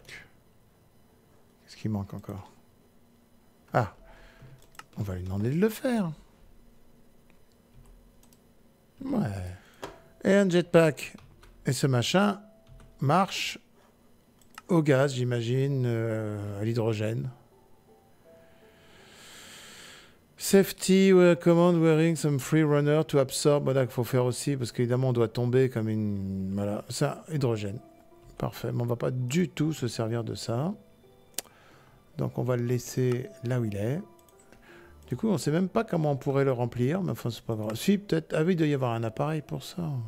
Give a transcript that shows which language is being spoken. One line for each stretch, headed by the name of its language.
French: Qu'est-ce qui manque encore? Ah, on va lui demander de le faire. Ouais. Et un jetpack. Et ce machin marche au gaz, j'imagine, à l'hydrogène.
English: Safety, we recommend wearing some free runner to absorb.
French: Voilà, qu'il faut faire aussi, parce qu'évidemment, on doit tomber comme une. Voilà, ça, hydrogène. Parfait. Mais on ne va pas du tout se servir de ça. Donc, on va le laisser là où il est. Du coup, on ne sait même pas comment on pourrait le remplir. Mais enfin, c'est pas grave. Si, peut-être. Ah oui, il doit y avoir un appareil pour ça.